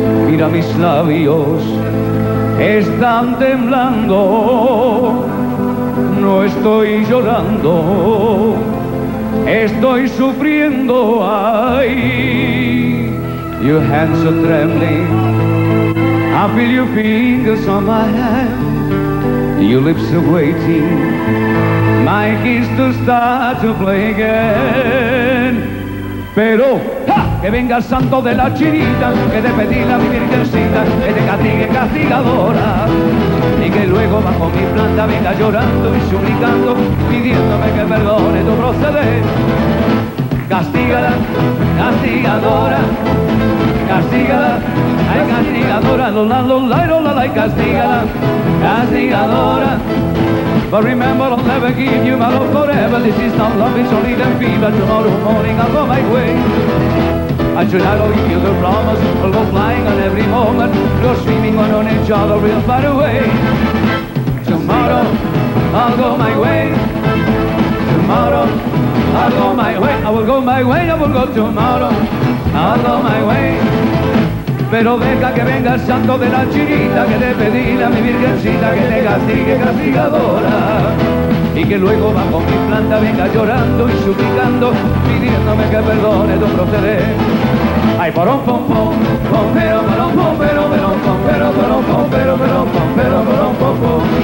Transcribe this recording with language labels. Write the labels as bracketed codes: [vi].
[es] Mira mis labios, están temblando, no estoy llorando, estoy sufriendo, ay. [en] Your hands are trembling, I feel your fingers on my hand. Your lips are waiting, my kiss to start to play again. [es] Pero, ¡ja! Que venga el santo de la chinita, que te pedí la mi virgencita, que te castigue castigadora. Y que luego bajo mi planta venga llorando y suplicando, pidiéndome que perdone tu proceder. Castígala, castigadora, castígala. Ay, castigadora, lola, lola, lola, lola, castígala, castigadora. [en] But remember, I'll never give you my love forever. This is not love, it's only the fever. Tomorrow morning, I'll go my way. And tonight, I'll give you the promise. We'll go flying on every moment. We're swimming one on each other, real far away. Tomorrow, I'll go my way. Tomorrow, I'll go my way. I will go my way, I will go tomorrow. I'll go my way. [es] Pero deja que venga el santo de la chinita, que te pedí a mi virgencita que te castigue castigadora. Y que luego bajo mi planta venga llorando y suplicando, pidiéndome que perdone tu proceder. Ay, porón, pom, pom, pom, pero, porón, pom, pero, porón, pom, pero, porón, pom, pero, porón, pom, pero, porón, pom, pom.